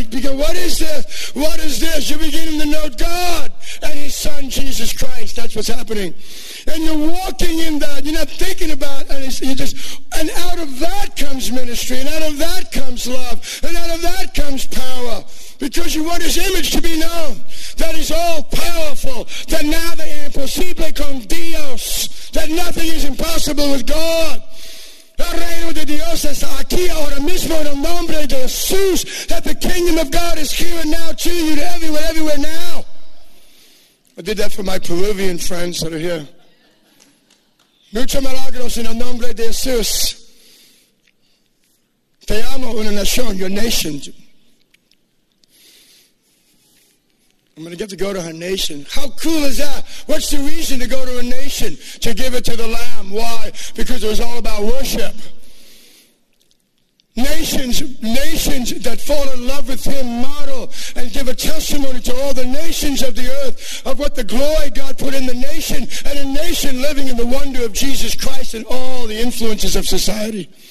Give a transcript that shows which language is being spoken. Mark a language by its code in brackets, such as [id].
[en] You begin, what is this? What is this? You're beginning to know God and his son, Jesus Christ. That's what's happening. And you're walking in that. You're not thinking about it. And out of that comes ministry. And out of that comes love. And out of that comes power. Because you want his image to be known. That he's all powerful. That [es] nada es imposible con Dios. [en] That nothing is impossible with God. [es] El reino de Dios está aquí ahora mismo en el nombre de Jesús. [en] That the kingdom of God is here and now to you, to everywhere, everywhere now. I did that for my Peruvian friends that are here. [es] Muchos milagros en el nombre de Jesús. Te amo una nación, [en] your nation. I'm going to get to go to her nation. How cool is that? What's the reason to go to a nation? To give it to the Lamb. Why? Because it was all about worship. Nations that fall in love with him model and give a testimony to all the nations of the earth of what the glory God put in the nation, and a nation living in the wonder of Jesus Christ and all the influences of society.